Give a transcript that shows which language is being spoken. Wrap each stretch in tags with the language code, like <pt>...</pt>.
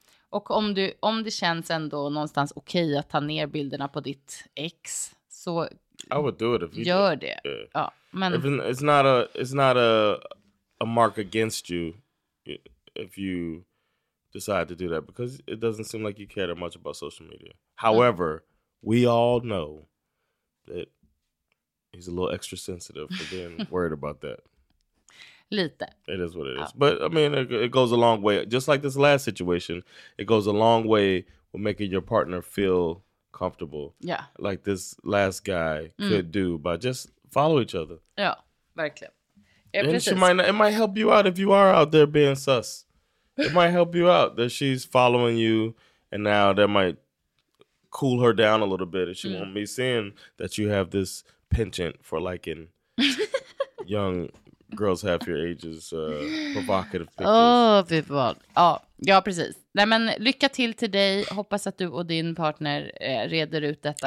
<sv>Och om det känns ändå någonstans okej att ta ner bilderna på ditt ex, så</sv> <en>I would do it if you</en> <sv>gör det. Ja, men</sv> <en>if it's not a mark against you if you decide to do that because it doesn't seem like you care that much about social media. However, we all know that he's a little extra sensitive for being worried about that.</en> <sv>Lite.</sv> <en>It is what it is. But I mean, it goes a long way. Just like this last situation, it goes a long way with making your partner feel comfortable. Yeah. Like this last guy could do by just follow each other.</en> <sv>Ja, verkligen.</sv> <en>It might help you out if you are out there being sus. It might help you out that she's following you, and now that might cool her down a little bit, and she won't be seeing that you have this penchant for liking young girls half your ages provocative pictures. Oh, people.</en> <sv>Oh, ja, precis. Nej, men lycka till dig. Hoppas att du och din partner reder ut detta.</sv>